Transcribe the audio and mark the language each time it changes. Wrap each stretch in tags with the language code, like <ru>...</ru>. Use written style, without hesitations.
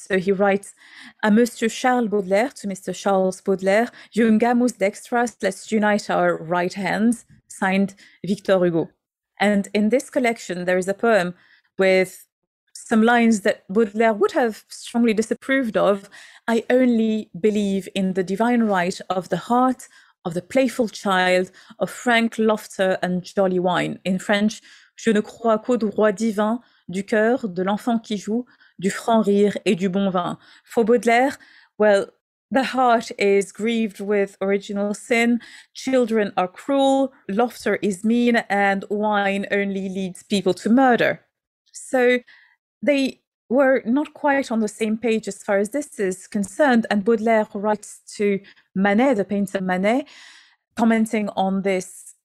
<en>So he writes,</en> <fr>"A Monsieur Charles Baudelaire,</fr> <en>to Mr. Charles Baudelaire,</en> <la>Jungamus dextras,</la> <en>let's unite our right hands," signed Victor Hugo. And in this collection, there is a poem with some lines that Baudelaire would have strongly disapproved of. "I only believe in the divine right of the heart, of the playful child, of frank laughter and jolly wine." In French,</en> <fr>"Je ne crois qu'au droit divin du cœur de l'enfant qui joue, du franc rire et du bon vin."</fr> <en>For Baudelaire, well, the heart is grieved with original sin, children are cruel, laughter is mean, and wine only leads people to murder. So they were not quite on the same page as far as this is concerned, and Baudelaire writes to Manet, the painter Manet, commenting on this</en>